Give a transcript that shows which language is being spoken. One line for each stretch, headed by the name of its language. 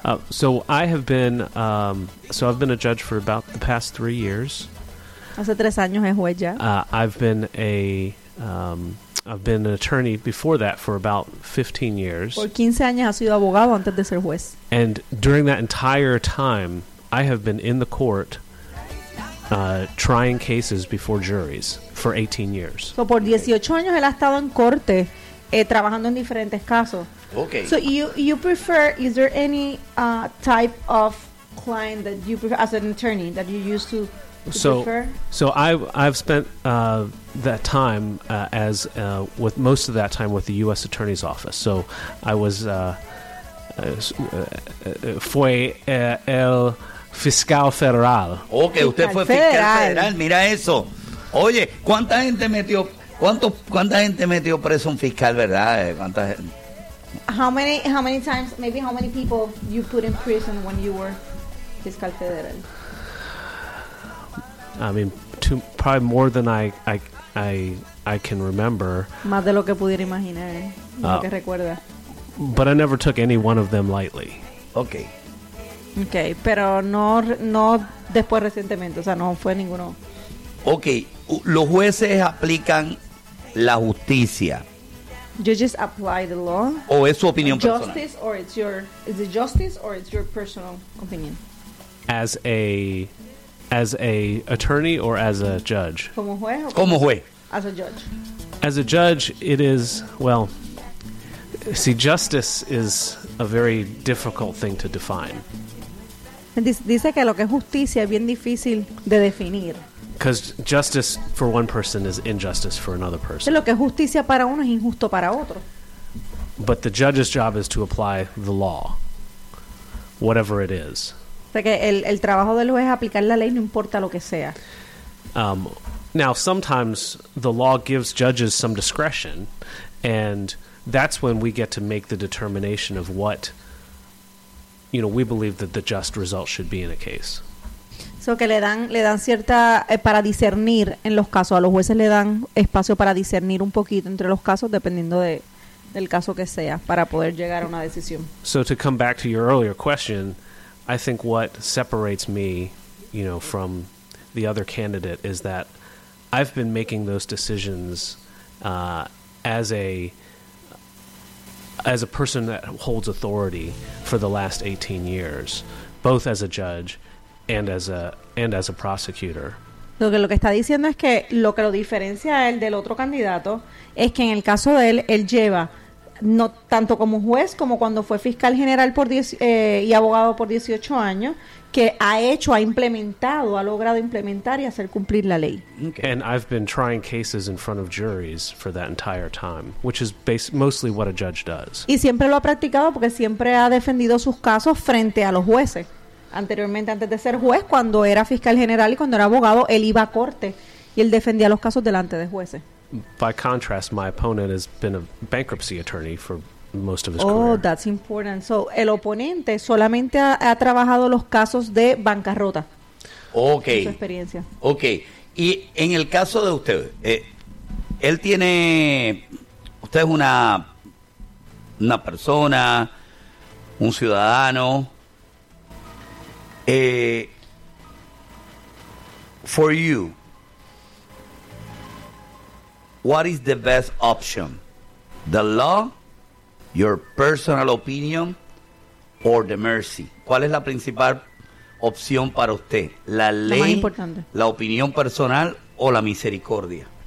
English: So I have been I've been a judge for about the past 3 years.
Spanish: Hace tres años es juez ya.
English: I've been an attorney before that for about 15 years.
Spanish: Por 15 años ha sido abogado antes de ser juez.
English: And during that entire time, I have been in the court trying cases before juries for 18 years.
Spanish: So por 18 años él ha estado en corte trabajando en diferentes casos.
English: Okay. So you prefer, is there any type of client that you prefer as an attorney that you used to So I've spent that time as with most of that time with the U.S. Attorney's Office. So I was
Spanish: fue el fiscal federal. Okay, usted fue fiscal federal. Mira eso. Oye, ¿cuánta gente metió preso un fiscal, verdad?
English: How many people you put in prison when you were
Spanish: fiscal federal?
English: I mean, probably more than I can remember.
Spanish: Más de lo que pudiera imaginar, lo que recuerda.
English: But I never took any one of them lightly. Okay.
Spanish: Okay, pero no después recientemente, o sea, no fue ninguno. Okay, los jueces aplican la justicia.
English: You just apply the law.
Spanish: ¿O es su opinión
English: justice
Spanish: personal?
English: Justice or it's your is it justice or it's your personal opinion? As a attorney or as a judge?
Spanish: Como juez. Como juez.
English: As a judge. As a judge, it is, well, see, justice is a very difficult thing to define.
Spanish: Dice que lo que es justicia es bien difícil de definir.
English: Because justice for one person is injustice for another person.
Spanish: Lo que es justicia para uno es injusto para otro.
English: But the judge's job is to apply the law, whatever it is.
Spanish: Que el trabajo del juez es aplicar la ley, no importa lo que sea.
English: Now, sometimes the law gives judges some discretion, and that's when we get to make the determination of what, you know, we believe that the just result should be in a case.
Spanish: So que le dan cierta para discernir en los casos. A los jueces le dan espacio para discernir un poquito entre los casos, dependiendo del caso que sea, para poder llegar a una decisión.
English: So to come back to your earlier question, I think what separates me, you know, from the other candidate is that I've been making those decisions as a person that holds authority for the last 18 years, both as a judge and as a prosecutor.
Spanish: Lo que está diciendo es que lo que lo diferencia a él del otro candidato es que en el caso de él lleva no tanto como juez como cuando fue fiscal general y abogado por 18 años, que ha logrado implementar y hacer cumplir la ley.
English: Okay. And I've been trying cases in front of juries for that entire time, which is mostly what a judge does.
Spanish: Y siempre lo ha practicado porque siempre ha defendido sus casos frente a los jueces. Anteriormente, antes de ser juez, cuando era fiscal general y cuando era abogado, él iba a corte y él defendía los casos delante de jueces.
English: By contrast, my opponent has been a bankruptcy attorney for most of his career. Oh, that's important.
Spanish: So, el oponente solamente ha trabajado los casos de bancarrota.
English: Okay.
Spanish: En su experiencia.
English: Okay.
Spanish: Y en el caso de usted, él tiene... Usted es una persona, un ciudadano.
English: For you, what is the best option? The law, your personal opinion, or the mercy?
Spanish: ¿Cuál es la principal opción para usted? ¿La ley, la opinión personal, o la misericordia?